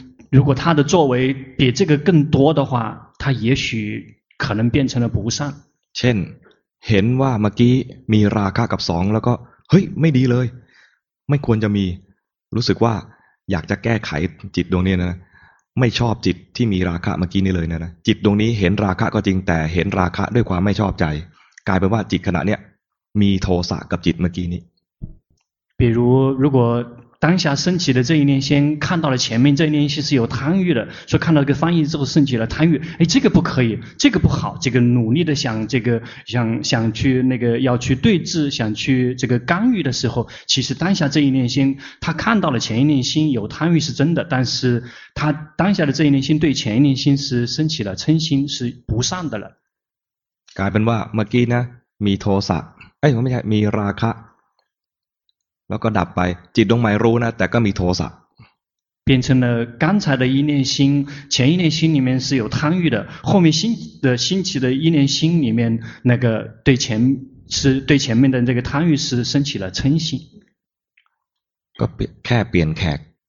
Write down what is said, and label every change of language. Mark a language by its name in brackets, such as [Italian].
[Chinese] 如果他的作为比这个更多的话，他也许可能变成了不善。 [Thai] เช่นเห็นว่าเมื่อกี้มีราคะกับสองแล้วก็เฮ้ยไม่ดีเลยไม่ควรจะมีรู้สึกว่าอยากจะแก้ไขจิตดวงนี้นะไม่ชอบจิตที่มีราคะเมื่อกี้นี้เลยนะจิตดวงนี้เห็นราคะก็จริงแต่เห็นราคะด้วยความไม่ชอบใจกลายเป็นว่าจิตขณะเนี้ยมีโทสะกับจิตเมื่อกี้นี้ [Chinese] 比如如果当下升起的这一念先看到了前面这一念心是有贪欲的说看到这个翻译之后升起了贪欲哎这个不可以这个不好这个努力的想这个想去那个要去对峙想去这个干预的时候其实当下这一念心他看到了前一念心有贪欲是真的但是他当下的这一念心对前一念心是升起了嗔心是不善的了改变了 [Thai] เมื่อกี้นะมีโทสะเอ้ยไม่ใช่มีราคะแล้วก็ดับไปจิตดวงใหม่รู้นะแต่ก็มีโทสะ [Chinese] 变成了刚才的一念心前一念心里面是有贪欲的后面新的兴起的一念心里面那个对前是对前面的这个贪欲是升起了嗔心 [Thai] ก็แค่เปลี่ยนแขก